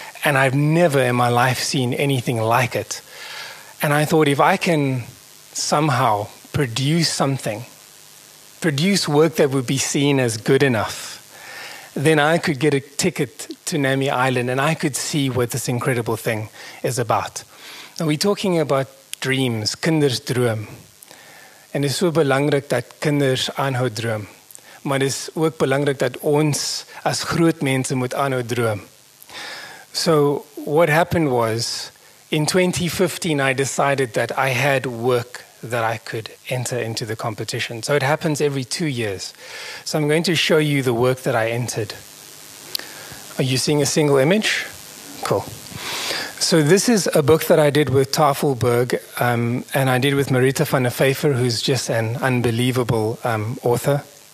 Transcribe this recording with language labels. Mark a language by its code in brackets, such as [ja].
[en] And I've never in my life seen anything like it. And I thought, if I can somehow produce work that would be seen as good enough, then I could get a ticket to Nami Island and I could see what this incredible thing is about. Now, we're talking about dreams, kindersdroom. And it's so [af] belangrijk dat kinders aanhou droom. Maar het is ook belangrijk dat ons als groot mensen moet aanhou droom. [en] So what happened was, in 2015, I decided that I had work that I could enter into the competition. So it happens every 2 years. So I'm going to show you the work that I entered. Are you seeing a single image? Cool. So this is a book that I did with Tafelberg, and I did with Marita van der Pfeiffer, who's just an unbelievable author.